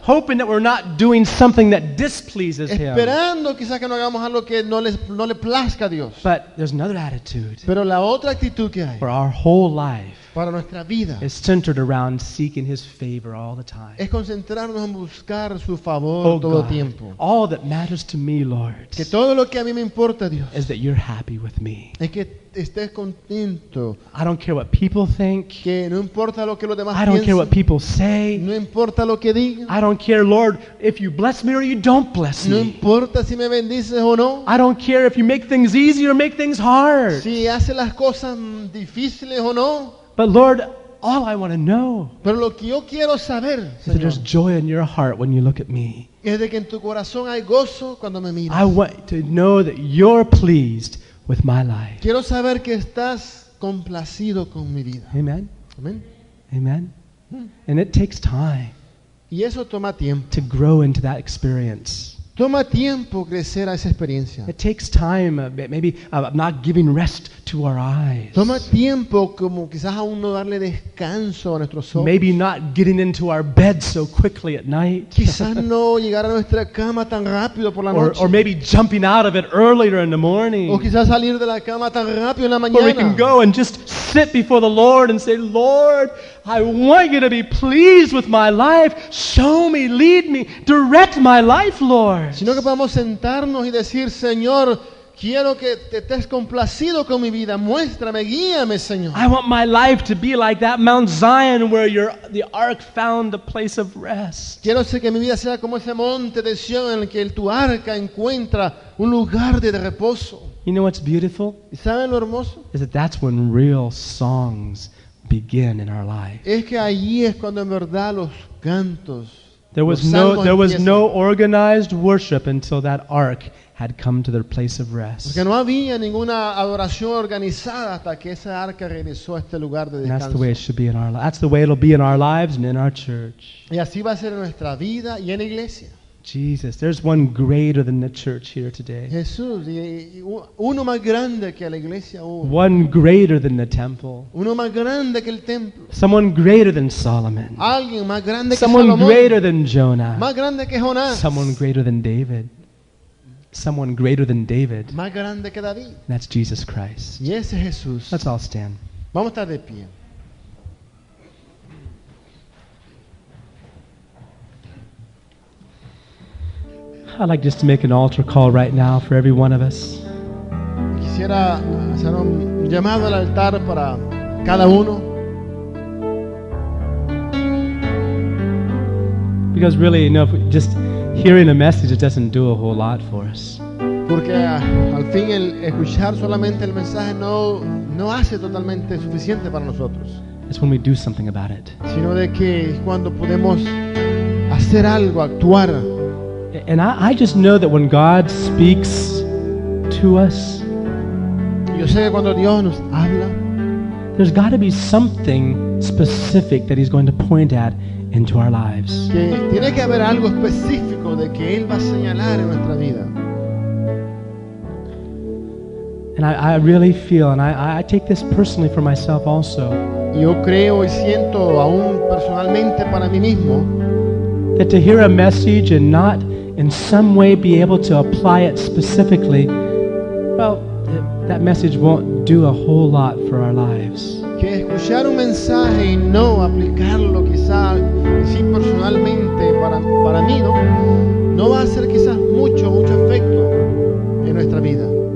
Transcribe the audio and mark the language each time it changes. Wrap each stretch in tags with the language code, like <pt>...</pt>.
<en>Hoping that we're not doing something that displeases him.</en> <es>Esperando quizás que no hagamos algo que no le plazca a Dios.</es> <en>But there's another attitude.</en> <es>Pero la otra actitud que hay.</es> <en>For our whole life.</en> <es>Para nuestra vida.</es> <en>Is centered around seeking his favor all the time.</en> <es>Es concentrarnos en buscar su favor oh todo</es> <en>God,</en> <es>el tiempo.</es> <en>All that matters to me, Lord.</en> <es>Que todo lo que a mí me importa, Dios.</es> <en>Is that you're happy with me.</en> <es>Es que estés contento.</es> <en>I don't care what people think.</en> <es>Que no importa lo que los demás piensen.</es> <en>I don't care what people say.</en> <es>No importa lo que digan.</es> <en>I don't care, Lord, if you bless me or you don't bless me.</en> <es>No importa si me bendices o no.</es> <en>I don't care if you make things easy or make things hard.</en> <es>Si hace las cosas difíciles o no.</es> <en>But Lord, all I want to know.</en> <es>Pero lo que yo quiero saber,</es> <en>is that there's joy in your heart when you look at me.</en> <es>Es de que en tu corazón hay gozo cuando me miras.</es> <en>I want to know that you're pleased with my life.</en> <es>Quiero saber que estás complacido con mi vida.</es> <en>Amen.</en> <es>Amen.</es> <en>Amen. And it takes time.</en> <es>Y eso toma tiempo.</es> <en>To grow into that experience.</en> <es>Toma tiempo crecer a esa experiencia.</es> <en>It takes time, maybe not giving rest to our eyes.</en> <es>Toma tiempo como quizás aún no darle descanso a nuestros ojos.</es> <en>Maybe not getting into our bed so quickly at night.</en> <es>Quizás no llegar a nuestra cama tan rápido por la noche.</es> <en>Or maybe jumping out of it earlier in the morning.</en> <es>O quizás salir de la cama tan rápido en la mañana.</es> <en>Or we can go and just sit before the Lord and say, Lord, I want you to be pleased with my life. Show me, lead me, direct my life, Lord.</en> <es>Sino que podamos sentarnos y decir, Señor, quiero que te estés complacido con mi vida. Muéstrame, guíame, Señor.</es> <en>I want my life to be like that Mount Zion where the ark found a place of rest.</en> <es>Quiero que mi vida sea como ese monte de Sion en el que tu arca encuentra un lugar de reposo.</es> <en>You know what's beautiful?</en> <es>¿Saben lo hermoso?</es> <en>Is that that's when real songs begin in our life.</en> <es>Es que allí es cuando en verdad los cantos.</es> <en>There was no organized worship until that ark had come to their place of rest.</en> <es>Porque no había ninguna adoración organizada hasta que esa arca regresó a este lugar de descanso.</es> <en>And that's the way it should be in our lives. That's the way it'll be in our lives and in our church.</en> <es>Y así va a ser en nuestra vida y en la iglesia.</es> <en>Jesus, there's one greater than the church here today.</en> <es>Jesús, uno más grande que la iglesia hoy.</es> <en>One greater than the temple.</en> <es>Uno más grande que el templo.</es> <en>Someone greater than Solomon.</en> <es>Alguien más grande que Salomón.</es> <en>Someone greater than Jonah.</en> <es>Más grande que Jonás.</es> <en>Someone greater than David. Someone greater than David.</en> <es>Más grande que David.</es> <en>That's Jesus Christ.</en> <es>Y ese es Jesús.</es> <en>Let's all stand.</en> <es>Vamos a estar de pie.</es> <en>I'd like just to make an altar call right now for every one of us.</en> <es>Quisiera hacer un llamado al altar para cada uno.</es> <en>Because really, you know, if we, just hearing a message, it doesn't do a whole lot for us.</en> <es>Porque al fin el escuchar solamente el mensaje no hace totalmente suficiente para nosotros.</es> <en>It's when we do something about it.</en> <es>Sino de que cuando podemos hacer algo, actuar.</es> <en>And I just know that when God speaks to us,</en> <es>yo sé que cuando Dios nos habla,</es> <en>there's got to be something specific that He's going to point at into our lives.</en> <es>Que tiene que haber algo específico de que Él va a señalar en nuestra vida.</es> <en>And I really feel, and I take this personally for myself also.</en> <es>Yo creo y siento aún personalmente para mí mismo</es> <en>that to hear a message and not in some way be able to apply it specifically, well, that message won't do a whole lot for our lives.</en> <es>Que escuchar un mensaje y no aplicarlo quizás sí personalmente para mí, no va a hacer quizás mucho efecto en nuestra vida.</es>